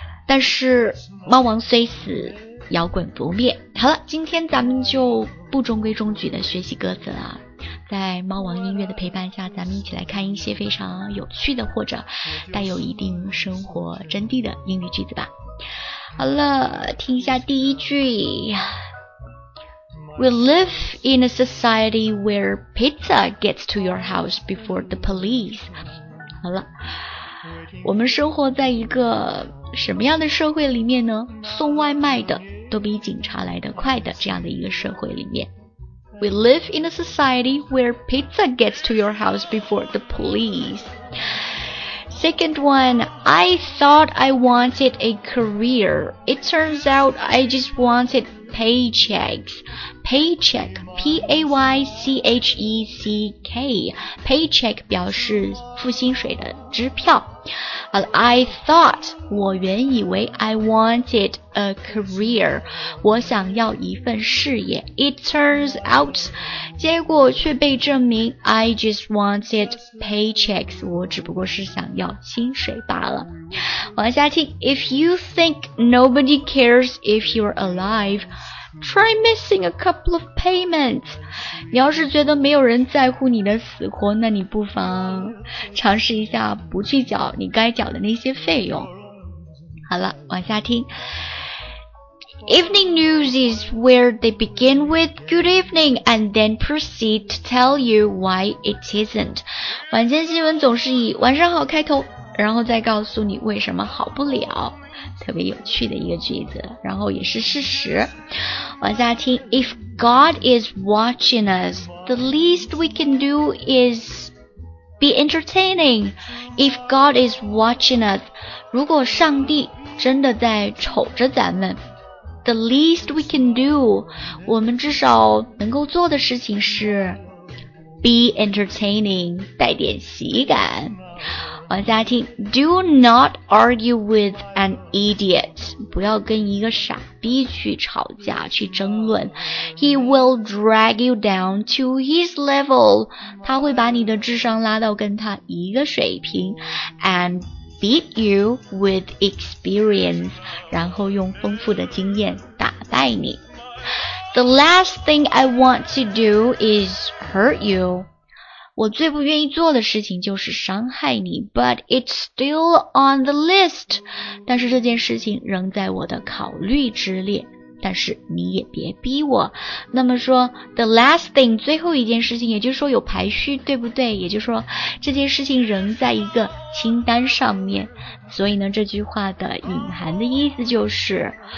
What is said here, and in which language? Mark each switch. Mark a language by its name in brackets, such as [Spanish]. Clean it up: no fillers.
[Chinese] 但是猫王虽死，摇滚不灭。好了，今天咱们就不中规中矩的学习歌词了，在猫王音乐的陪伴下，咱们一起来看一些非常有趣的或者带有一定生活真谛的英语句子吧。好了，听一下第一句。 [English] We live in a society where pizza gets to your house before the police. [Chinese] 好了，我们生活在一个什么样的社会里面呢？送外卖的都比警察来得快的这样的一个社会里面。 [English] We live in a society where pizza gets to your house before the police. Second one, I thought I wanted a career. It turns out I just wanted paychecks. Paycheck, P-A-Y-C-H-E-C-K. [Chinese] Paycheck 表示付薪水的支票。 [English] I thought, [Chinese] 我原以为 [English] I wanted a career, [Chinese] 我想要一份事业。 [English] It turns out, [Chinese] 结果却被证明 [English] I just wanted paychecks, [Chinese] 我只不过是想要薪水罢了。往下听 [English] If you think nobody cares if you're alive, try missing a couple of payments. [Chinese] 你要是觉得没有人在乎你的死活，那你不妨尝试一下不去缴你该缴的那些费用。好了，往下听。 [English] Evening news is where they begin with good evening and then proceed to tell you why it isn't. [Chinese] 晚间新闻总是以晚上好开头，然后再告诉你为什么好不了。特别有趣的一个句子，然后也是事实。往下听 [English] If God is watching us, the least we can do is be entertaining. If God is watching us, [Chinese] 如果上帝真的在瞅着咱们， [English] the least we can do, [Chinese] 我们至少能够做的事情是 [English] be entertaining, [Chinese] 带点喜感。往下听 [English] Do not argue with an idiot. [Chinese] 不要跟一个傻逼去吵架去争论。 [English] He will drag you down to his level. [Chinese] 他会把你的智商拉到跟他一个水平。 [English] And beat you with experience. [Chinese] 然后用丰富的经验打败你。 [English] The last thing I want to do is hurt you. [Chinese] 我最不愿意做的事情就是伤害你 [English] But it's still on the list [Chinese] 但是这件事情仍在我的考虑之列但是你也别逼我那么说 [English] The last thing [Chinese] 最后一件事情也就是说有排序对不对也就是说这件事情仍在一个清单上面所以呢这句话的隐含的意思就是